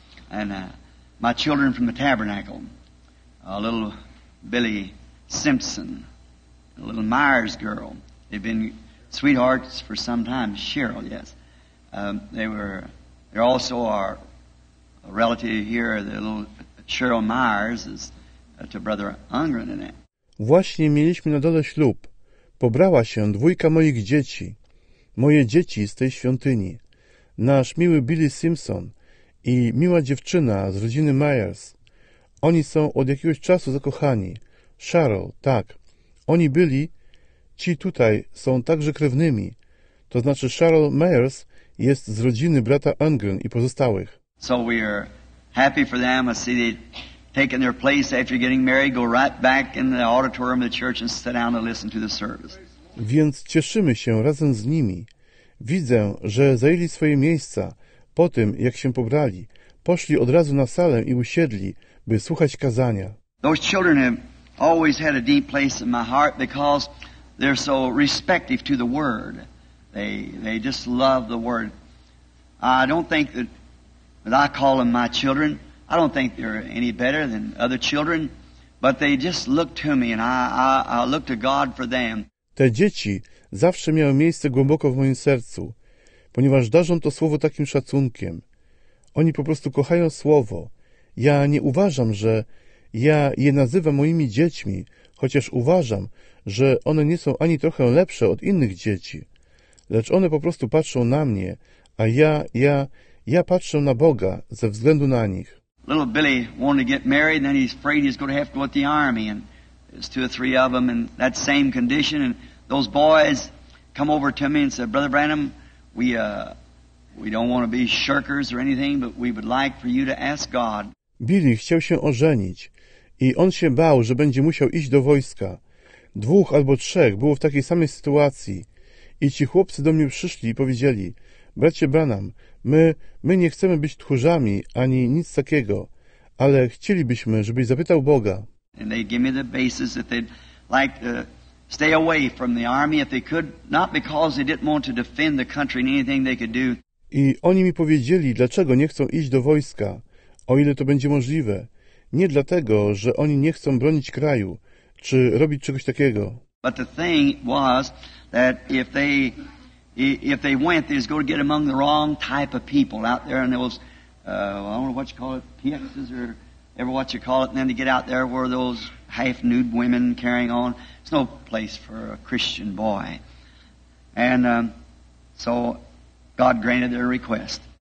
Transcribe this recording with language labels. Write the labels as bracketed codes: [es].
[en] And my children from the tabernacle, a little Billy Simpson, a little Myers girl. They've been sweethearts for some time, Cheryl, yes. They're also our relative here, the little Cheryl Myers is to Brother Ungren in it. [pl] Właśnie mieliśmy na dole ślub. Pobrała się dwójka moich dzieci. moje dzieci z tej świątyni, nasz miły Billy Simpson i miła dziewczyna z rodziny Myers. Oni są od jakiegoś czasu zakochani. Cheryl, tak. Oni byli, ci tutaj są także krewnymi. To znaczy Cheryl Myers jest z rodziny brata Angren i pozostałych. [en] So we are happy for them. I see they've taken their place after getting married, go right back in the auditorium of the church and sit down and listen to the service. [pl] Więc cieszymy się razem z nimi. Widzę, że zajęli swoje miejsca po tym, jak się pobrali. Poszli od razu na salę i usiedli, by słuchać kazania. [en] Those children have always had a deep place in my heart because they're so respective to the word. They just love the word. I don't think that I call them my children. I don't think they're any better than other children, but they just look to me and I look to God for them. [pl] Te dzieci zawsze miały miejsce głęboko w moim sercu, ponieważ darzą to słowo takim szacunkiem. Oni po prostu kochają słowo. Ja nie uważam, że ja je nazywam moimi dziećmi, chociaż uważam, że one nie są ani trochę lepsze od innych dzieci. Lecz one po prostu patrzą na mnie, a ja patrzę na Boga ze względu na nich. [en] Little Billy wanted to get married, and then he's afraid he's going to have to go to the army, and there's two or three of them in that same condition, and those boys come over to me and said, Brother Branham, we don't want to be shirkers or anything, but we would like for you to ask God. [pl] Billy chciał się ożenić i on się bał, że będzie musiał iść do wojska. Dwóch albo trzech było w takiej samej sytuacji i ci chłopcy do mnie przyszli i powiedzieli, bracie Branham, my nie chcemy być tchórzami ani nic takiego, ale chcielibyśmy, żebyś zapytał Boga. [en] And they give me the basis that they'd like to stay away from the army if they could, not because they didn't want to defend the country in anything they could do. [pl] I oni mi powiedzieli, dlaczego nie chcą iść do wojska, o ile to będzie możliwe. Nie dlatego, że oni nie chcą bronić kraju, czy robić czegoś takiego. [en] But the thing was that if they went, they was going to get among the wrong type of people out there, and there was, I don't know what you call it, PXs or ever what you call it, and then to get out there were those half-nude women carrying on. It's no place for a Christian boy. And so God granted their request.